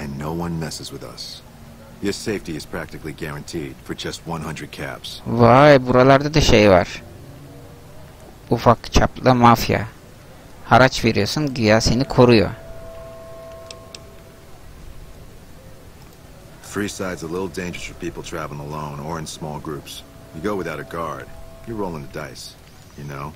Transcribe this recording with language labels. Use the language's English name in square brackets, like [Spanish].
[English] And no one messes with us. Your safety is practically guaranteed for just 100 caps. [Turkish] Vay, buralarda da şey var. Ufak çaplı mafya. Haraç veriyorsun, güya seni koruyor. [English] Freeside's a little dangerous for people traveling alone or in small groups. You go without a guard, you're rolling the dice, you know.